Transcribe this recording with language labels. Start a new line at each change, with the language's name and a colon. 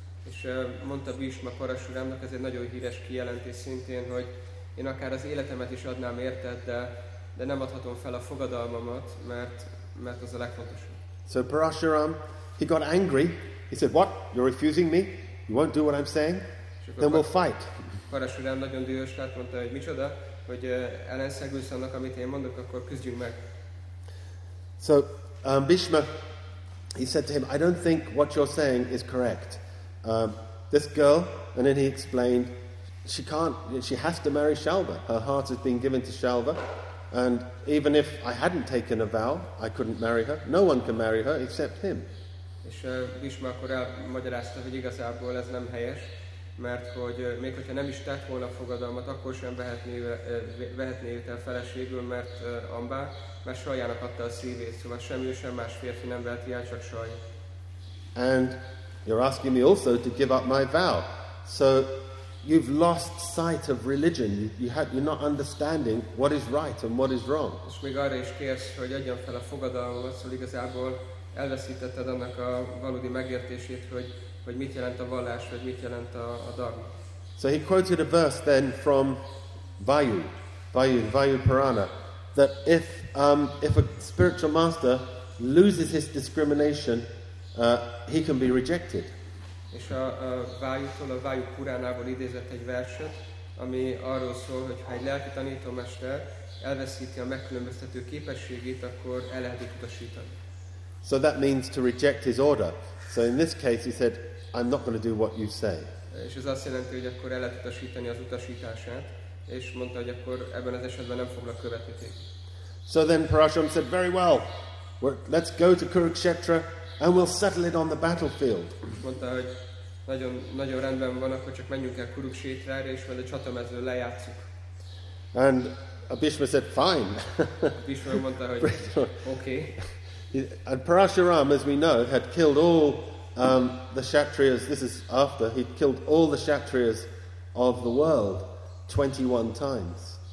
Hungarian: És mondta Bhishma Parashuramnak, ez egy nagyon híres kijelentés szintén, hogy én akár az életemet is adnám érted, de nem adhatom fel a fogadalmamat, mert az a legfontosabb.
English: So Parashuram, he got angry. He said, what? You're refusing me? You won't do what I'm saying? Then we'll fight.
Hungarian: Parashuram nagyon dühös lett, mondta, hogy micsoda, hogy ellenszegülsz annak, amit én mondok, akkor küzdjünk meg.
English: So, Bhishma, he said to him, I don't think what you're saying is correct. This girl, and then he explained, she has to marry Shalva. Her heart has been given to Shalva. And even if I hadn't taken a vow, I couldn't marry her. No one can marry her except him.
Hungarian: És Bhishma akkor elmagyarázta, hogy igazából ez nem helyes, mert hogy még hogyha nem is tett volna fogadalmat, akkor sem vehetné őt el feleségül, mert Ambá, mert Sajának adta a szívét, szóval sem ő, sem más férfi nem veheti el, csak Saj.
English: And you're asking me also to give up my vow. So you've lost sight of religion. You're not understanding what is right and what is wrong.
Hungarian: És még arra is kérsz, hogy adjam fel a fogadalmat, szóval igazából elveszítetted annak a valódi megértését, hogy mit jelent a vallás, vagy mit jelent a dharma.
English: So he quoted a verse then from Vayu Purana, that if a spiritual master loses his discrimination, he can be rejected.
Hungarian: És a Vayu Puránából idézett egy verset, ami arról szól, hogy ha egy lelki tanítómester elveszíti a megkülönböztető képességét, akkor el lehet utasítani.
English: So that means to reject his order. So in this case, he said, I'm not going to do what you say.
Hungarian: És ez azt jelenti, hogy akkor el utasítani az utasítását, és mondta, hogy akkor ebben az esetben nem foglak követni téged.
English: So then Parashuram said, very well, let's go to Kurukshetra, and we'll settle it on the battlefield.
Hungarian: Mondta, hogy nagyon, nagyon rendben van, akkor csak menjünk el Kurukshetrára, és majd a csatamezőn lejátszuk.
English: And Bhishma said, fine.
Hungarian: Bhishma mondta, hogy okay.
English: And Parashuram, as we know, had killed all the Kshatriyas. This is after he'd killed all the Kshatriyas of the world 21 times.